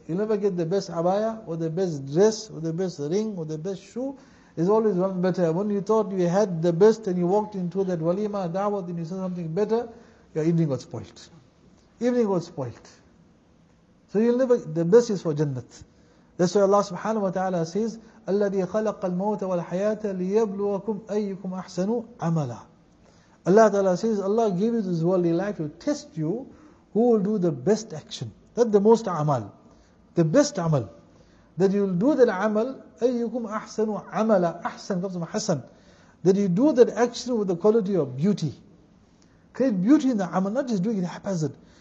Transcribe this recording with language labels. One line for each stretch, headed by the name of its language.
English: You'll never get the best abaya, or the best dress, or the best ring, or the best shoe. There's always one better. When you thought you had the best and you walked into that walima, da'wah, then you saw something better, your evening got spoilt. Evening got spoilt. So you'll never, the best is for Jannah. That's why Allah subhanahu wa ta'ala says,
Arabic: الَّذِي خَلَقَ الْمَوْتَ وَالْحَيَاةَ لِيَبْلُوَكُمْ أَيُّكُمْ أَحْسَنُ عَمَلًا.
English: Allah ta'ala says, Allah gave you this worldly life to test you who will do the best action, not the most amal, the best amal. that you will do that amal,
Arabic: ayyukum ahsanu amala,
English: ahsan comes from hasan. That you do that action with the quality of beauty. Create beauty in the amal, not just doing it haphazard.